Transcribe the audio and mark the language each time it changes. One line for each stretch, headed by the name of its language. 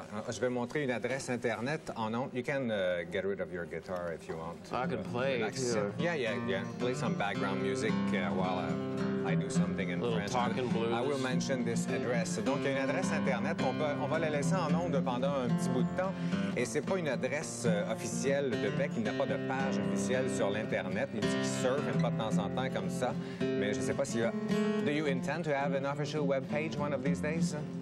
French: Je vais montrer une adresse internet en ondes.
English: You can get rid of your guitar if you want. I can play. Yeah. Play some background music while I do something in French. Talking blues. I will mention this address.
French: Donc, il y a une adresse internet. On va la laisser en ondes pendant un petit bout de temps. Et c'est pas une adresse officielle de Beck. Il n'a pas de page officielle sur l'internet. Il dit qu'il surfe une fois de temps en temps comme ça. Mais je sais pas s'il y a.
English: Do you intend to have an official web page one of these days?